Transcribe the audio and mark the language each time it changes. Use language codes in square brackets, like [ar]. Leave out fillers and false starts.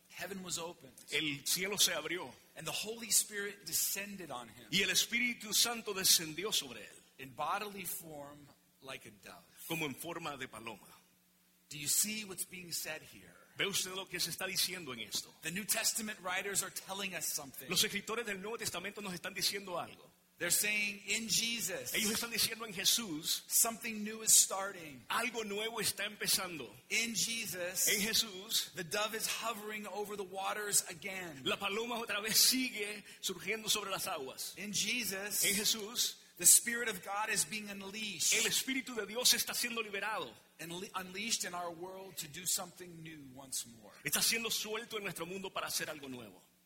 [en] Heaven was opened. [es] El cielo se abrió. [en] And the Holy Spirit descended on him. [es] Y el Espíritu Santo descendió sobre él. [en] In bodily form, like a dove. [es] Como en forma de paloma. [en] Do you see what's being said here? [es] ¿Ve usted lo que se está diciendo en esto? [en] The New Testament writers are telling us something. [es] Los escritores del Nuevo Testamento nos están diciendo algo. [en] They're saying in Jesus. [es] Ellos están diciendo en Jesús. [en] Something new is starting. [es] Algo nuevo está empezando. [en] In Jesus. [es] En Jesús. [en] The dove is hovering over the waters again. [es] La paloma otra vez sigue surgiendo sobre las aguas. [en] In Jesus. [es] En Jesús. [en] The Spirit of God is being unleashed. [es] El Espíritu de Dios está siendo liberado. [en] And unleashed in our world to do something new once more. [es] Está siendo suelto en nuestro mundo para hacer algo nuevo.